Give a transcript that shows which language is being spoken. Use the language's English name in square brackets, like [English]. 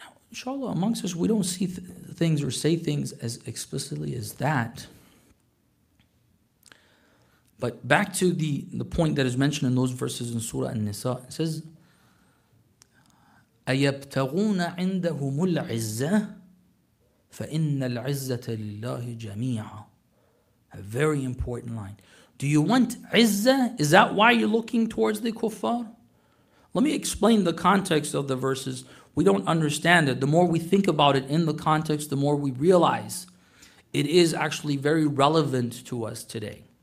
[English] Inshallah, amongst us, we don't see things or say things as explicitly as that. But back to the point that is mentioned in those verses in Surah An-Nisa. It says, [Arabic] أَيَبْتَغُونَ عِنْدَهُمُ الْعِزَّةِ فَإِنَّ الْعِزَّةَ لِلَّهِ جَمِيعًا. [English] A very important line. Do you want izzah? Is that why you're looking towards the kuffar? Let me explain the context of the verses. We don't understand it. The more we think about it in the context, the more we realize it is actually very relevant to us today.